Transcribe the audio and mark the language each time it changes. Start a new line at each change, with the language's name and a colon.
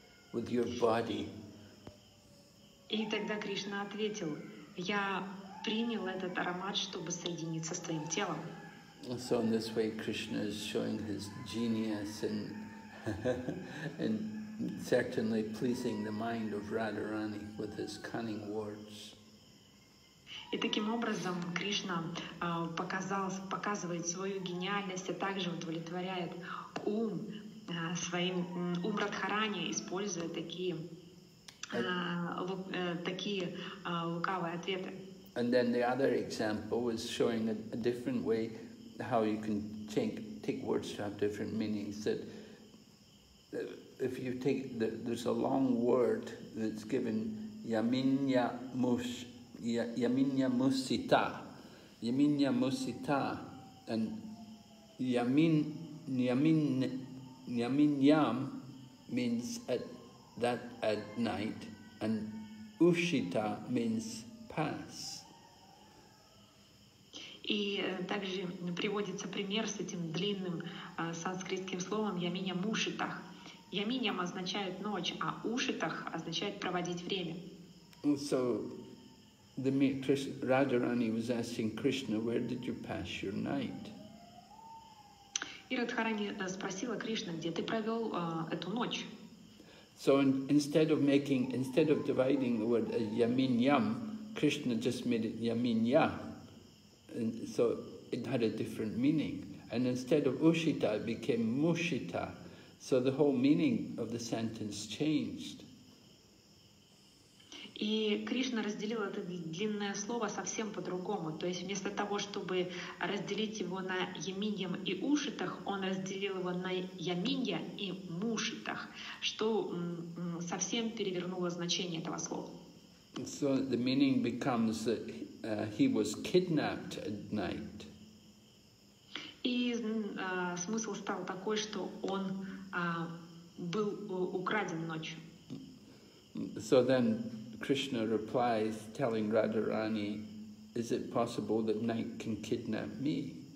English: With your body.
Russian: И тогда Кришна ответил, я принял этот аромат, чтобы соединиться с твоим телом.
English: And so in this way Krishna is showing his genius and and certainly pleasing the mind of Radharani with his cunning words.
Russian: И таким образом Кришна показывает свою гениальность, а также удовлетворяет ум своим ум Радхарани, используя такие лукавые ответы.
English: And then the other example was showing a different way how you can take words to have different meanings. That if you take there's a long word that's given yaminya musita, and Yaminyam means at night, and Ushita means pass.
Russian: И также приводится пример с этим длинным санскритским словом Yaminyam Ushitah. Yaminyam означает ночь, а Ushitah означает проводить время.
English: So, Radharani was asking Krishna, where did you pass your night?
Russian: И Радхарани спросила Кришна, где ты провел эту ночь.
English: So instead of dividing the word yaminyam, Krishna just made it yaminya, and so it had a different meaning. And instead of ushita, it became mushita, so the whole meaning of the sentence changed.
Russian: И Кришна разделил это длинное слово совсем по-другому. То есть вместо того, чтобы разделить его на яминьям и ушитах, он разделил его на яминья и мушитах, что совсем перевернуло значение этого слова.
English: So the meaning becomes that he was kidnapped at night.
Russian: И смысл стал такой, что он был украден ночью.
English: So then Krishna replies, telling Radharani, is it possible that night can kidnap me?